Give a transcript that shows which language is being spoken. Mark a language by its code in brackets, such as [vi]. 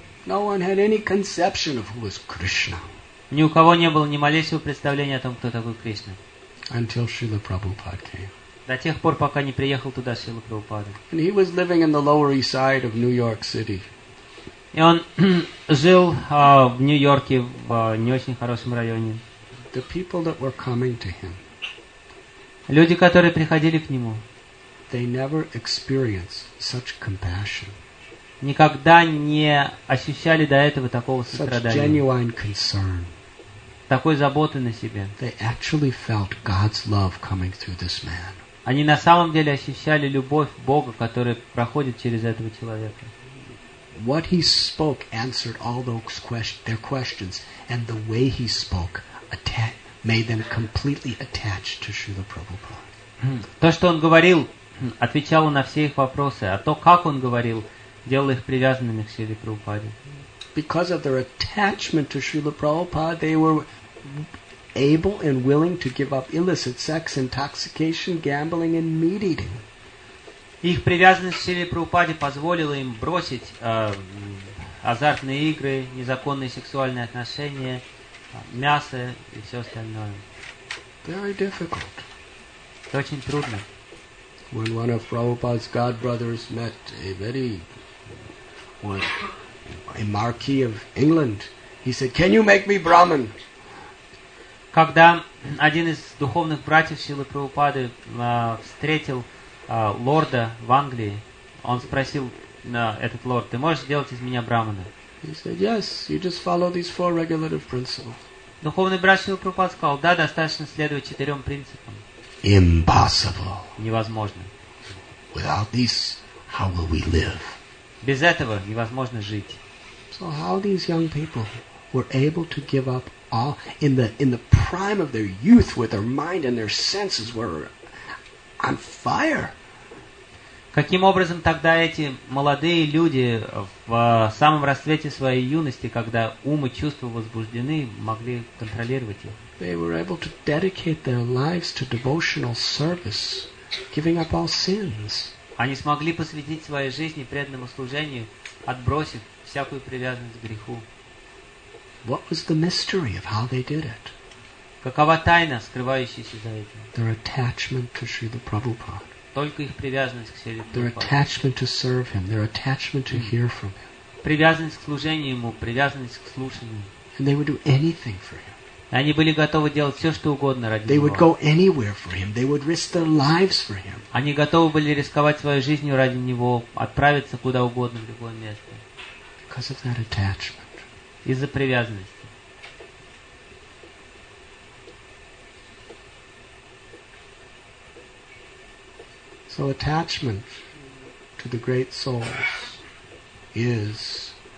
[en] no one had any conception of who was Krishna. [ru] Ни у кого не было ни малейшего представления о том, кто такой Кришна. [en] Until Srila Prabhupada came. [ru] До тех пор, пока не приехал туда Шрила Прабхупада. [en] And he was living in the Lower East Side of New York City. [ru] И он жил в Нью-Йорке в не очень хорошем районе. [en] The people that were coming to him. [ru] Люди, которые приходили к нему. [en] They never experienced such compassion. [ru] Никогда не ощущали до этого такого сострадания. [en] Such genuine concern. [ru] Такой заботы на себе. [en] They actually felt God's love coming through this man. [ru] Они на самом деле ощущали любовь Бога, которая проходит через этого человека. [en] What he spoke answered all those their questions, and the way he spoke made them completely attached to Srila Prabhupada. [ru] То, что он говорил, отвечало на все их вопросы, а то, как он говорил, делало их привязанными к Шриле Прабхупаде. [en] Because of their attachment to Srila Prabhupada, they were able and willing to give up illicit sex, intoxication, gambling, and meat eating. [ru] Их привязанность к Шриле Прабхупаде позволила им бросить азартные игры, незаконные сексуальные отношения, мясо и все остальное. [en] Very difficult. [ru] Это очень трудно. [en] When one of Prabhupada's god brothers met a marquis of England, he said, "Can you make me Brahmin?" [ru] Когда один из духовных братьев Шрилы Прабхупады встретил лорда в Англии, он спросил этот лорд, ты можешь сделать из меня брахмана? [en] He said, yes, you just follow these four regulative principles. [ru] Духовный брат Шрилы Прабхупады сказал, да, достаточно следовать четырем принципам. [en] Impossible. [ru] Невозможно. [en] Without this, how will we live? [ru] Без этого невозможно жить. [en] So how these young people were able to give up all in the prime of their youth, where their mind and their senses were on fire. [ru] Каким образом тогда эти молодые люди в самом расцвете своей юности, когда ум и чувства возбуждены, могли контролировать их? [en] They were able to dedicate their lives to devotional service, giving up all sins. [ru] Они смогли посвятить свои жизни преданному служению, отбросив всякую привязанность к греху. [en] What was the mystery of how they did it? [ru] Какова тайна, скрывающаяся за этим? [en] Their attachment to Srila Prabhupada. [ru] Только их привязанность к Шриле Прабхупаде. [en] Their attachment to serve him, their attachment to hear from him. [ru] Привязанность к служению ему, привязанность к слушанию. [en] And they would do anything for him. [ru] Они были готовы делать все, что угодно ради него. [en] They would go anywhere for him. They would risk their lives for him. [ru] Они готовы были рисковать своей жизнью ради него, отправиться куда угодно в любое место. [en] Because of that attachment. [ru] Из-за привязанности. [en] So attachment to the great souls is